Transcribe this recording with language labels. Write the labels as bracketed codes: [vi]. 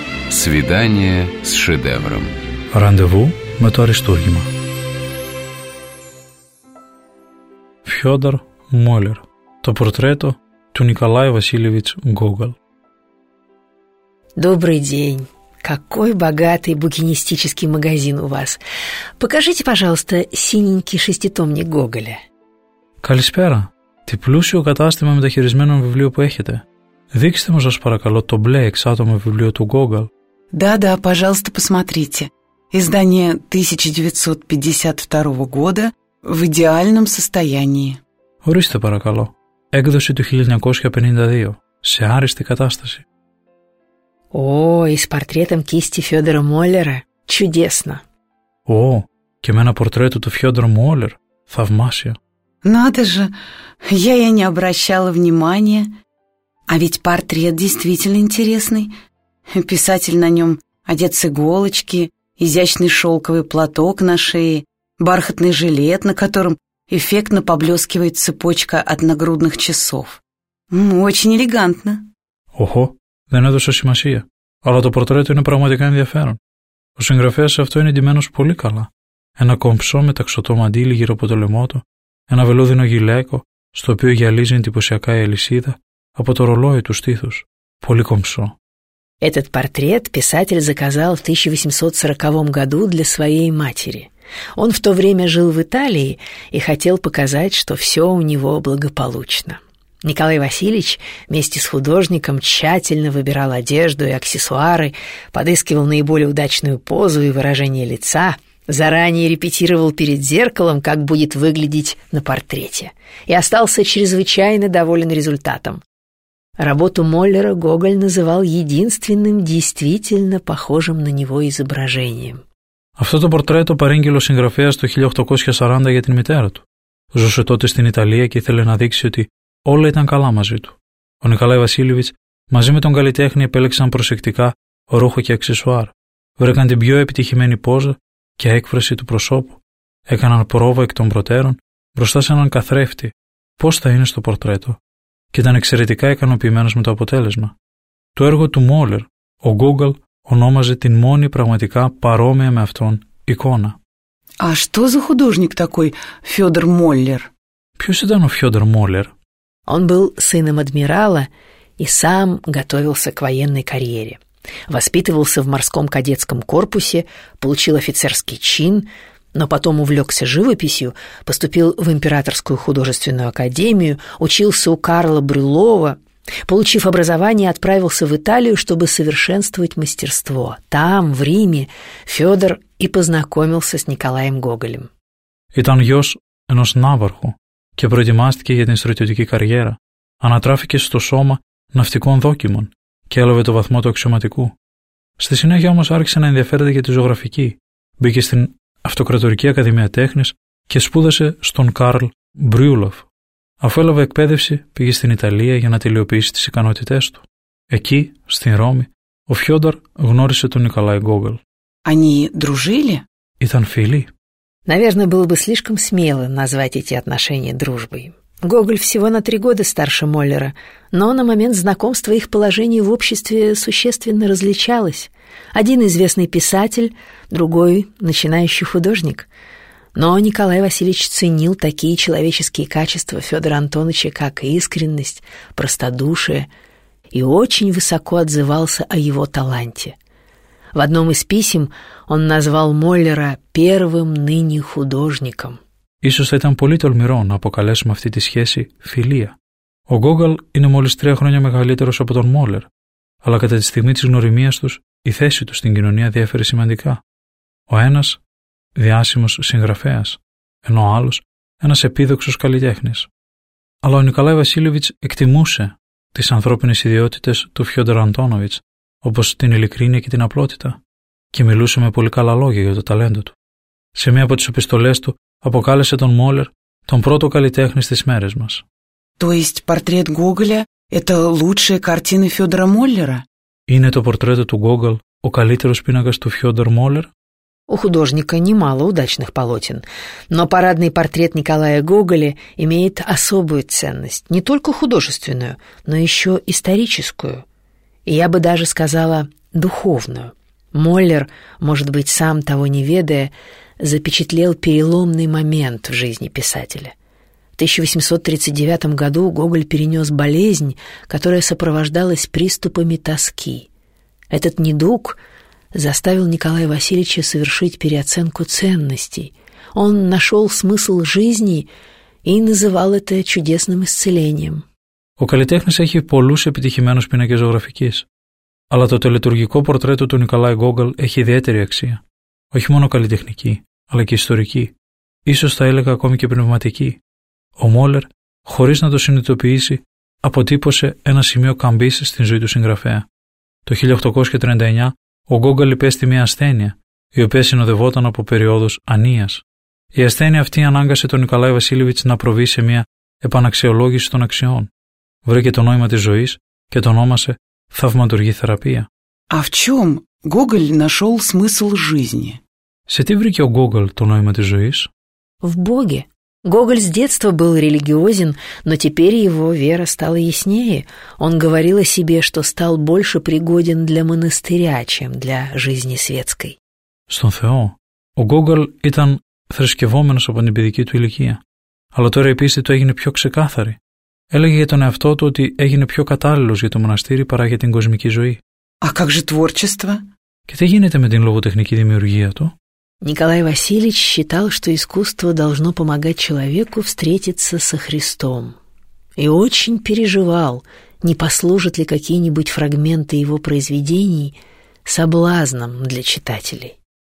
[ru] Свидание с шедевром. [el] Ραντεβού με το αριστούργημα. Φιόντορ Μόλερ. Το πορτρέτο του Νικολάη Βασίλεβιτς Γκόγκαλ. [ru] Добрый день. Какой богатый букинистический магазин у вас. Покажите, пожалуйста, синенький шеститомник Гоголя. [el] Καλησπέρα. Τι πλούσιο κατάστημα μεταχειρισμένων βιβλίων που έχετε. Δείξτε μου, σας παρακαλώ, το μπλε εξάτομο βιβλίο του Γκόγκαλ. [ru] Да-да, пожалуйста, посмотрите. Издание 1952 года в идеальном состоянии. [el] Ορίστε, παρακαλώ. Έκδοση του 1952. Σε άριστη κατάσταση. [ru] О, и с портретом кисти Федора Моллера. Чудесно. [el] О, και με ένα πορτρέτο του Федора Моллер. Θαυμάσια. [ru] Надо же, я и не обращала внимания. А ведь портрет действительно интересный. Писатель на нем одет с иголочки, изящный шелковый платок на шее, бархатный жилет, на котором эффектно поблескивает цепочка от нагрудных часов. Очень элегантно. [el] Ого, δεν έδωσα σημασία. Αλλά το πορτρέτο είναι πραγματικά ενδιαφέρον. Ο συγγραφέας αυτό είναι ντυμένος πολύ καλά. Ένα κομψό μεταξωτό μαντίλι γύρω από το λαιμό του, ένα βελούδινο γυλαίκο, στο οποίο γυαλίζει εντυπωσιακά η αλυσίδα από το ρολόι του στήθους. Πολύ κομψό. [ru] Этот портрет писатель заказал в 1840 году для своей матери. Он в то время жил в Италии и хотел показать, что все у него благополучно. Николай Васильевич вместе с художником тщательно выбирал одежду и аксессуары, подыскивал наиболее удачную позу и выражение лица, заранее репетировал перед зеркалом, как будет выглядеть на портрете, и остался чрезвычайно доволен результатом. Работу Моллера Гоголь называл единственным действительно похожим на него изображением. [el] Αυτό το πορτρέτο παρήγγειλε ο συγγραφέας το 1840 για την μητέρα του. Ζούσε τότε στην Ιταλία και ήθελε να δείξει ότι όλα ήταν καλά μαζί του. Ο Νικολάη Βασίλειβιτς μαζί με τον καλλιτέχνη επέλεξαν προσεκτικά ρούχο και αξεσουάρ. Βρήκαν την πιο επιτυχημένη πόζα και έκφραση του προσώπου. Έκαναν πρόβα εκ των προτέρων μπροστά σε έναν καθρέφτη. Πώς θα είναι στο πορτρέτο? Και ήταν εξαιρετικά ικανοποιημένος με το αποτέλεσμα. Το έργο του Μόλερ, ο Γκόγκαλ ονόμαζε την μόνη πραγματικά παρόμοια με αυτόν εικόνα. [ru] «Α, что за художник такой, Фёдор Моллер?» [el] Ποιος ήταν ο Фёдор Моллер? [ru] Он был сыном адмирала и сам готовился к военной карьере. Воспитывался в морском кадетском корпусе, получил офицерский чин, но потом увлекся живописью, поступил в Императорскую художественную академию, учился у Карла Брюлова. Получив образование, отправился в Италию, чтобы совершенствовать мастерство. Там, в Риме, Фёдор и познакомился с Николаем Гоголем. [el] Ήταν γιος ενός ναύαρχου και προετοιμάστηκε για την στρατιωτική καριέρα. Ανατράφηκε στο σώμα ναυτικών δόκιμων και έλαβε το βαθμό του αξιωματικού. Στη συνέχεια όμως άρχισε να ενδιαφέρεται για τη ζωγραφική. Μπήκε στην Αυτοκρατορική Ακαδημία Τέχνης και σπούδασε στον Κάρλ Μπρίουλοφ. Αφού έλαβε εκπαίδευση, πήγε στην Ιταλία για να τελειοποιήσει τις ικανότητές του. Εκεί, στην Ρώμη, ο Φιόντορ γνώρισε τον Νικολάη Γκόγκαλ. [ru] Они дружили? [el] Ήταν φίλοι? [ru] Наверное, было бы слишком смело назвать эти отношения дружбой. Гоголь всего на 3 года старше Моллера, но на момент знакомства их положение в обществе существенно различалось. Один известный писатель, другой начинающий художник. Но Николай Васильевич ценил такие человеческие качества Фёдора Антоновича, как искренность, простодушие, и очень высоко отзывался о его таланте. В одном из писем он назвал Моллера первым ныне художником. [el] Ίσως θα ήταν πολύ τολμηρό να αποκαλέσουμε αυτή τη σχέση φιλία. Ο Γκόγκαλ είναι μόλις 3 χρόνια μεγαλύτερος από τον Μόλερ, αλλά κατά τη στιγμή της γνωριμίας τους, η θέση του στην κοινωνία διέφερε σημαντικά. Ο ένας, διάσημος συγγραφέας, ενώ ο άλλος, ένας επίδοξος καλλιτέχνης. Αλλά ο Νικολάη Βασίλειβιτς εκτιμούσε τις ανθρώπινες ιδιότητες του Φιόντορ Αντόνοβιτς, όπως την ειλικρίνεια και την απλότητα, και μιλούσε με πολύ καλά λόγια για το ταλέντο του. Σε μία από τις επιστολές του, αποκάλεσε τον Μόλερ τον πρώτο καλλιτέχνη στις μέρες μας. [ru] То есть портрет Гоголя это лучшая картина Фёдора Моллера? [el] Είναι το πορτρέτο του Γκόγκαλ ο καλύτερος πίνακας του Фёдор Моллер? [ru] У художника немало удачных полотен, но парадный портрет Николая Гоголя имеет особую ценность, не только художественную, но еще историческую. И я бы даже сказала духовную. Моллер, может быть, сам того не ведая, запечатлел переломный момент в жизни писателя. В 1839 году Гоголь перенес болезнь, которая сопровождалась приступами тоски. Этот недуг заставил Николая Васильевича совершить переоценку ценностей. Он нашел смысл жизни и называл это чудесным исцелением. [el] Ο καλλιτέχνης έχει πολλούς επιτυχημένους πίνακες ζωγραφικής. Αλλά το τελετουργικό πορτρέτο του Νικολάη Γκόγκαλ έχει ιδιαίτερη αξία. Όχι μόνο καλλιτεχνική, αλλά και ιστορική. Ίσως θα έλεγα ακόμη και πνευματική. Ο Μόλερ, χωρίς να το συνειδητοποιήσει, αποτύπωσε ένα σημείο καμπής στην ζωή του συγγραφέα. Το 1839 ο Γκόγκαλ υπέστη μια ασθένεια, η οποία συνοδευόταν από περιόδους ανίας. Η ασθένεια αυτή ανάγκασε τον Νικολάη Βασίλειβιτς να προβεί σε μια επαναξιολόγηση των αξιών. Βρήκε το νόημα της ζωής και το ονόμασε θαυματουργή θεραπεία. [ru] А в чём Гоголь нашёл смысл жизни? [el] Σε τι βρήκε ο Γκόγκαλ το νόημα της ζωής? [ru] В Боге. Гоголь с детства был религиозен, но теперь его вера стала яснее. Он говорил о себе, что стал больше пригоден для монастыря, чем для жизни светской. [el] Στον Θεό, ο Γκόγκαλ ήταν θρησκευόμενος από την παιδική του ηλικία. Αλλά τώρα η πίστη του έγινε πιο ξεκάθαρη. Έλεγε για τον εαυτό του ότι έγινε πιο κατάλληλος για το μοναστήρι παρά για την κοσμική ζωή. [ru] А как же творчество? [el] Και τι γίνεται με την λογοτεχνική δημιουργία του? [ru] Николай Васильевич считал, что искусство должно помогать человеку встретиться со Христом. И очень переживал, не послужат ли какие-нибудь фрагменты его произведений соблазном для читателей.